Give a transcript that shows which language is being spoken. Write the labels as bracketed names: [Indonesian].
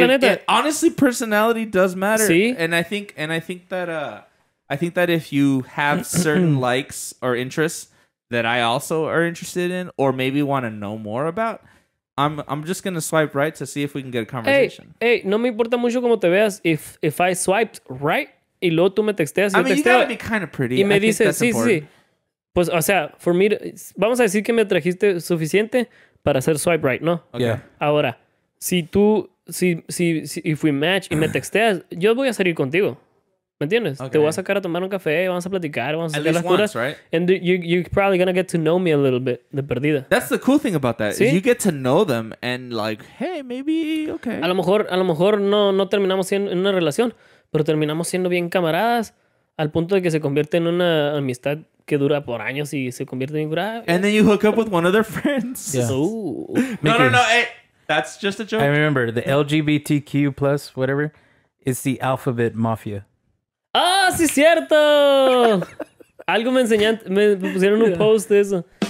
[Spanish] la neta. [English] It, honestly, personality does matter. [Spanish] ¿Sí? [English] And I think that if you have certain likes or interests that I also are interested in or maybe want to know more about, I'm just gonna swipe right to see if we can get a conversation. [Spanish] Hey, no me importa mucho cómo te veas. [English] If I swiped right [Spanish] y luego tú me texteas, [English] I mean, [Spanish] texteo, [English] you gotta be kind of pretty. [Spanish] Y me dices sí, sí. Pues, o sea, [English] for me, [Spanish] vamos a decir que me trajiste suficiente para hacer [English] swipe right, [Spanish] ¿no? [English] Okay. Yeah. [Spanish] Ahora, si tú, si [English] if we match [Spanish] y me texteas, yo voy a salir contigo. ¿Me entiendes? [English] Okay. [Spanish] Te voy a sacar a tomar un café, vamos a platicar, vamos a hacer las curas. [English] And you're probably going to get to know me a little bit, [Spanish] de perdida. [English] That's the cool thing about that. [Spanish] ¿Sí? [English] You get to know them and like, hey, maybe, okay. [Spanish] A lo mejor no terminamos siendo en una relación, pero terminamos siendo bien camaradas al punto de que se convierte en una amistad que dura por años y se convierte en grave. [English] And then you hook up with one of their friends. Yeah. No, because no, no. Hey, that's just a joke. I remember the LGBTQ plus whatever is the alphabet mafia. [Spanish] Ah, oh, sí, cierto. Algo me pusieron un post de eso.